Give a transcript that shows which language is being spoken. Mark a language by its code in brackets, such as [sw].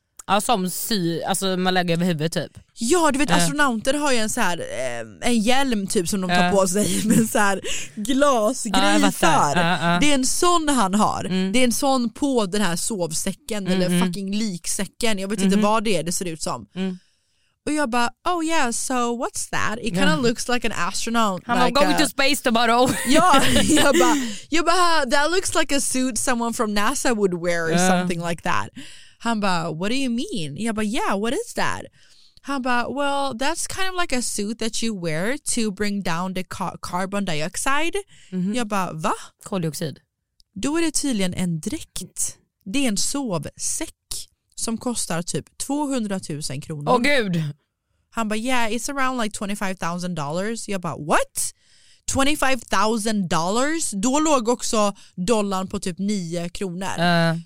[sv] Ja, som sy, alltså man lägger över huvudet typ. Ja, du vet, astronauter har ju en så här en hjälm typ som de tar på sig med så här glasgrej för. Det är en sån han har. Det är en sån på den här sovsäcken eller fucking liksäcken. Jag vet inte vad det ser ut som. Och jag bara, [en] oh yeah, so what's that? It kind of looks like an astronaut. I'm like going to space tomorrow. [sv] Ja, jag bara, [en] that looks like a suit someone from NASA would wear or something like that. [sv] Han bara, [en] what do you mean? [sv] Jag bara, [en] yeah, what is that? Han bara, well, that's kind of like a suit that you wear to bring down the carbon dioxide. [sv] Jag bara, va? Koldioxid. Då är det tydligen en dräkt. Det är en sovsäck som kostar typ 200 000 kronor. Åh gud! Han bara, [en] yeah, it's around like $25,000. [sv] Jag bara, [en] what? [sv] $25,000, då låg också dollarn på typ 9 kronor.